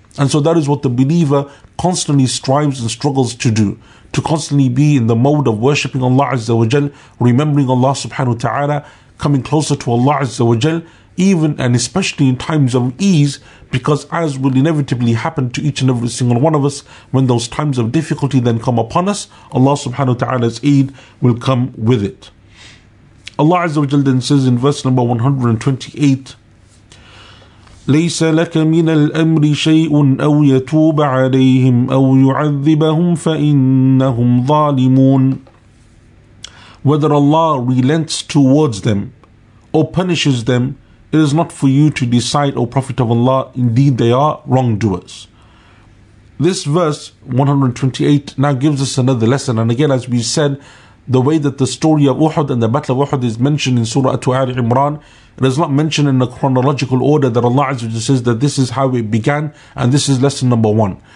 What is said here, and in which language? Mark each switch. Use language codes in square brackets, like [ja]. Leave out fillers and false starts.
[en] And so that is what the believer constantly strives and struggles to do, to constantly be in the mode of worshipping Allah azza wa jal, remembering Allah subhanahu wa ta'ala, coming closer to Allah azza wa jal, even and especially in times of ease, because as will inevitably happen to each and every single one of us, when those times of difficulty then come upon us, Allah subhanahu wa ta'ala's aid will come with it. Allah azza wa jal then says in verse number 128, [ar] لَيْسَ لَكَ مِنَ الْأَمْرِ شَيْءٌ أَوْ يَتُوبَ عَلَيْهِمْ أَوْ يُعَذِّبَهُمْ فَإِنَّهُمْ ظَالِمُونَ. [en] Whether Allah relents towards them or punishes them, it is not for you to decide, O Prophet of Allah, indeed they are wrongdoers. This verse 128 now gives us another lesson. And again, as we said, the way that the story of Uhud and the Battle of Uhud is mentioned in Surah At-Tuhar Imran, it is not mentioned in a chronological order that Allah Azza wa Jalla says that this is how it began and this is lesson number one.